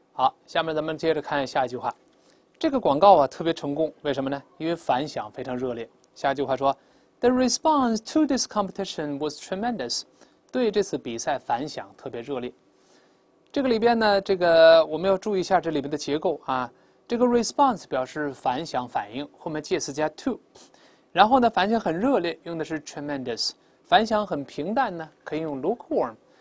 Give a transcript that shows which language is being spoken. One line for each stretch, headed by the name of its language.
Chinese: 好，下面咱们接着看下一句话。这个广告啊特别成功，为什么呢？因为反响非常热烈。下一句话说，
English: The response to this competition was tremendous。
Chinese: 对这次比赛反响特别热烈。这个里边呢，这个我们要注意一下这里边的结构啊。这个 response 表示反响、反应，后面介词加 to。然后呢，反响很热烈，用的是 tremendous。反响很平淡呢，可以用 lukewarm。